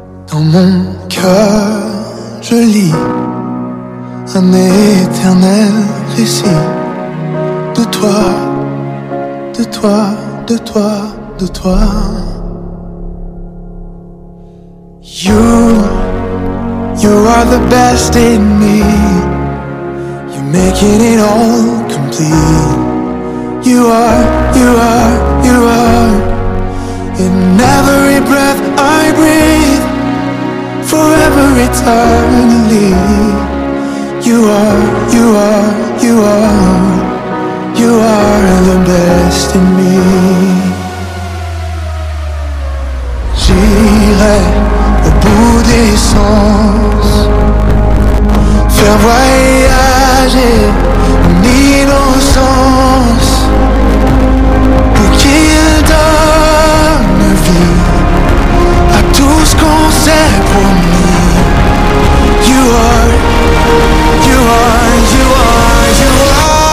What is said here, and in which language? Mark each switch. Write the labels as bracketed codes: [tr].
[fr] Dans mon cœur, je lis un éternel récit de toi, de toi, de toi, de toi. [en] You, you are the best in me. You're making it all complete. You are, you are, you are. In every breath I breathe, forever eternally. You are, you are, you are. You are the best in me. [fr] J'irai au bout des sens, faire voyager mon innocence, pour qu'il donne vie à tout ce qu'on sait pour nous. [en] You are, you are, you are, you are.